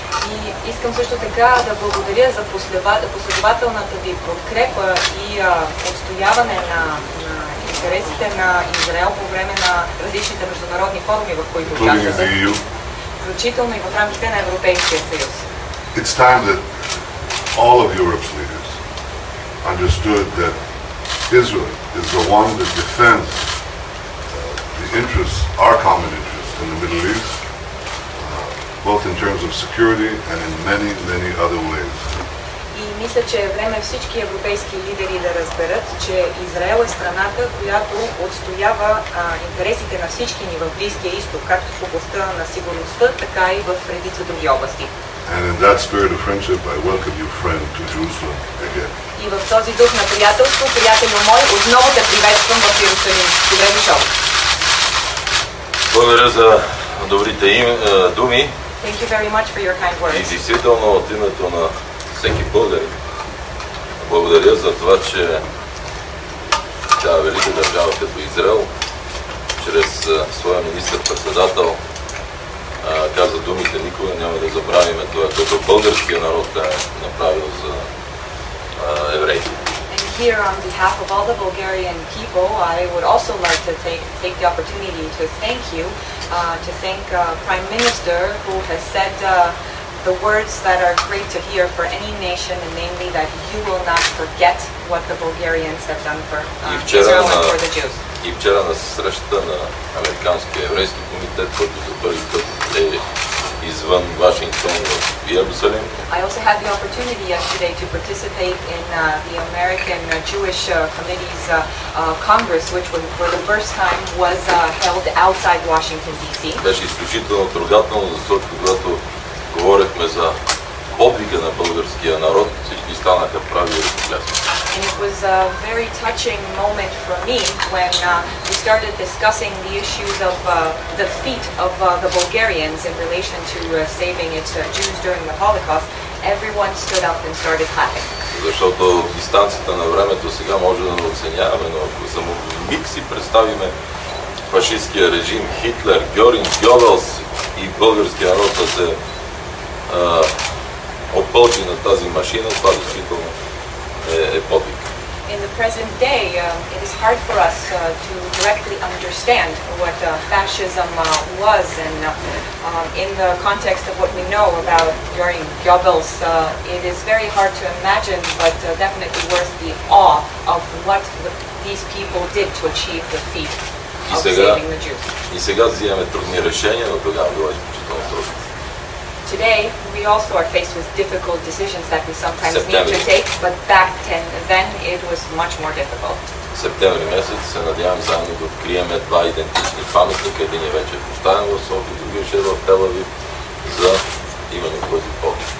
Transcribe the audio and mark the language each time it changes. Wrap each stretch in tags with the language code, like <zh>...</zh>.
<bg>И искам също така да благодаря за последователната ви подкрепа и отстояване на интересите на Израел по време на различните международни форуми, в които участвате, включително и в рамките на Европейския съюз.</bg> <en>It's time that all of Europe's leaders understood that Israel is the one that defends the interests, our common interests in the Middle East. Both in terms of security and in many, many other ways.</en> <bg>И мисля, че е време всички европейски лидери да разберат, че Израел е страната, която отстоява интересите на всички ни в Близкия изток, както в областта на сигурността, така и в редица други области.</bg> <en>And in that spirit of friendship, I welcome you, friend, to Jerusalem again.</en> <bg>И в този дух на приятелство, приятелю мой, отново те приветствам в Йерусалим. Добре дошъл. Благодаря за добрите думи.</bg> <en>Thank you very much for your kind words.</en> <bg>И действително от името на всеки българин. Благодаря за това, че тази велика държава като Израел, чрез своя министър-председател, каза думите, никога няма да забравиме това, което българския народ е направил за евреите.</bg> <en>And here on behalf of all the Bulgarian people, I would also like to take the opportunity to thank you. To thank Prime Minister who has said the words that are great to hear for any nation, and namely that you will not forget what the Bulgarians have done for Israel and for the Jews.</en> <bg>И вчера на срещата на Американския еврейски комитет, който за първи път е извън Вашингтон в Йерусалим.</bg> <en>I also had the opportunity yesterday to participate in the American Jewish Committee's Congress, which for the first time was held outside Washington, D.C.</en> <bg>Беше изключително трогателно, защото когато говорихме за подвига на българския народ, всички станаха прави и ръкопляскаха.</bg> <en>And it was a very touching moment for me when we started discussing the issues of the feat of the Bulgarians in relation to saving its Jews during the Holocaust. everyone stood up and started clapping.</en> <bg>Защото дистанцията на времето сега може да оценяваме, но ако за миг си представиме фашистския режим, Хитлер, Гьоринг, Гьобелс и български народ да се опълчи на тази машина, това действително е подвиг.</bg> <en>In the present day, it is hard for us to directly understand what fascism was, and in the context of what we know about Göring, Goebbels, it is very hard to imagine, but definitely worth the awe of what these people did to achieve the feat of saving the Jews. Today, we also are faced with difficult decisions that we sometimes need to take, but back then, it was much more difficult.</en> <bg>В септември месец се надявам заедно да открием два идентични паметника, един вече е поставен в София, другия ще е в Тел Авив, за именно този поход.</bg>